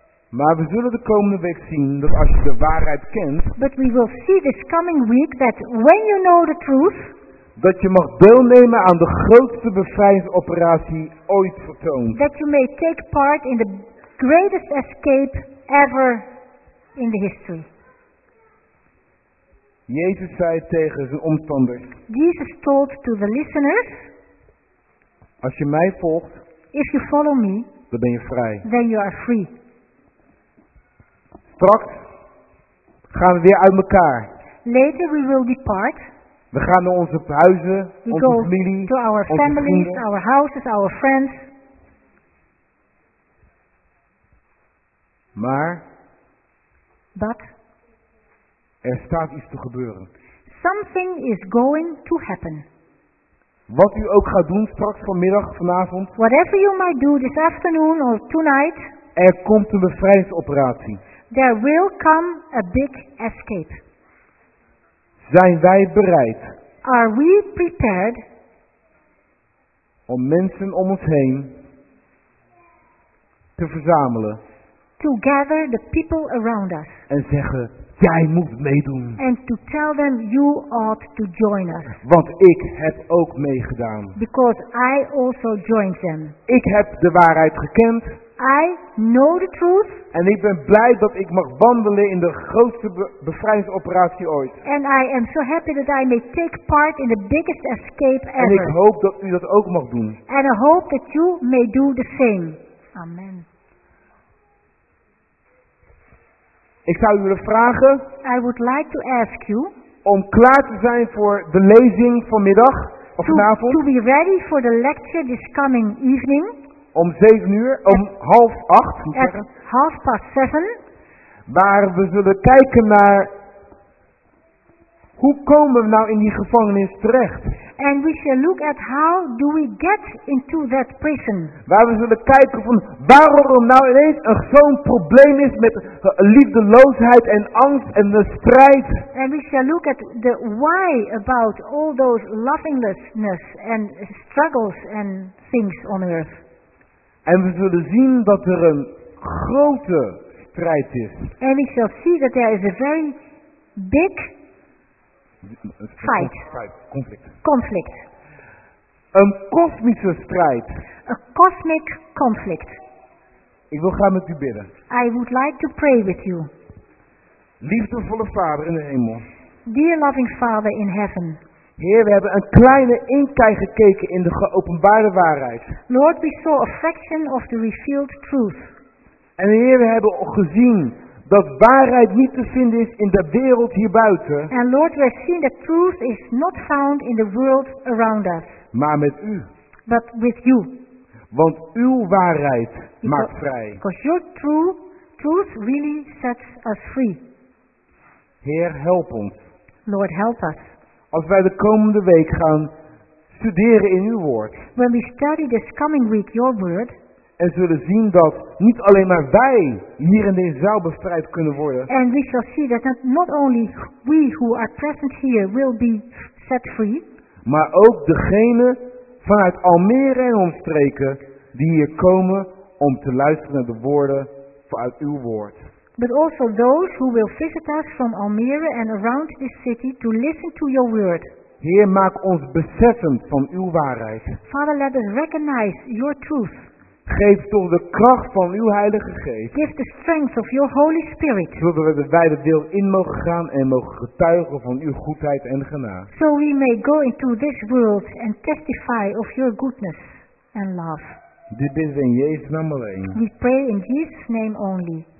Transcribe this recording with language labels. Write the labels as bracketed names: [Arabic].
[Dutch] Maar we zullen de komende week zien dat als je de waarheid kent. [English] But we will see this coming week that when you know the truth. [Dutch] Dat je mag deelnemen aan de grootste bevrijdingsoperatie ooit vertoond. [English] That you may take part in the greatest escape ever in the history. [Dutch] Jezus zei tegen zijn omstanders. [English] Jesus told to the listeners. [Dutch] Als je mij volgt. [English] If you follow me. [Dutch] Dan ben je vrij. [English] Then you are free. [Dutch] Straks gaan we weer uit elkaar. [English] Later we will depart. [Dutch] We gaan naar onze huizen, onze familie, [English] to our families, our houses, our friends. [Dutch] Maar. [English] But [Dutch] er staat iets te gebeuren. [English] Something is going to happen. [Dutch] Wat u ook gaat doen straks vanmiddag, vanavond. [English] Whatever you might do this afternoon or tonight. [Dutch] Er komt een bevrijdingsoperatie. [English] There will come a big escape. [Dutch] Zijn wij bereid? [English] Are we prepared? [Dutch] Om mensen om ons heen te verzamelen. [English] To gather the people around us. [Dutch] En zeggen, jij moet meedoen. [English] And to tell them, you ought to join us. [Dutch] Want ik heb ook meegedaan. [English] Because I also joined them. [Dutch] Ik heb de waarheid gekend. [English] I know the truth. [Dutch] En ik ben blij dat ik mag wandelen in de grootste bevrijdingsoperatie ooit. [English] And I am so happy that I may take part in the biggest escape ever. [Dutch] En ik hoop dat u dat ook mag doen. [English] And I hope that you may do the same. Amen. [Dutch] Ik zou u willen vragen. [English] I would like to ask you. [Dutch] Om klaar te zijn voor de lezing vanmiddag of vanavond. [English] To be ready for the lecture this coming evening. [Dutch] Om 7:00, om half acht. [English] At half past 7. [Dutch] Waar we zullen kijken naar hoe komen we nou in die gevangenis terecht. [English] And we shall look at how do we get into that prison. [Dutch] Waar we zullen kijken van waarom nou ineens een zo'n probleem is met liefdeloosheid en angst en de strijd. [English] And we shall look at the why about all those lovinglessness and struggles and things on earth. [Dutch] En we zullen zien dat er een grote strijd is. [English] And we shall see that there is a very big fight. [Dutch] Conflict. Een kosmische strijd. [English] A cosmic conflict. [Dutch] Ik wil graag met u bidden. [English] I would like to pray with you. [Dutch] Liefdevolle Vader in de hemel. [English] Dear loving Father in heaven. [Dutch] Heer, we hebben een kleine inkijk gekeken in de geopenbaarde waarheid. [English] Lord, we saw a fraction of the revealed truth. [Dutch] En Heer, we hebben gezien dat waarheid niet te vinden is in de wereld hierbuiten. [English] And Lord, we have seen that truth is not found in the world around us. [Dutch] Maar met u. [English] But with you. [Dutch] Want uw waarheid maakt vrij. [English] Because your truth really sets us free. [Dutch] Heer, help ons. [English] Lord, help us. [Dutch] Als wij de komende week gaan studeren in uw woord. [English] When we study this coming week your word. [Dutch] En zullen zien dat niet alleen maar wij hier in deze zaal bevrijd kunnen worden. [English] And we shall see that not only we who are present here will be set free. [Dutch] Maar ook degene vanuit Almere en omstreken die hier komen om te luisteren naar de woorden vanuit uw woord. [English] But also those who will visit us from Almere and around this city to listen to your word. [Dutch] Heer, maak ons beseffend van uw waarheid. [English] Father, let us recognize your truth. [Dutch] Geef toch de kracht van uw Heilige Geest. [English] Give the strength of your Holy Spirit. [Dutch] Zodat we de wijde wereld in mogen gaan en mogen getuigen van uw goedheid en genade. [English] So we may go into this world and testify of your goodness and love. [Dutch] Dit is in Jezus' naam alleen. [English] We pray in Jesus' name only.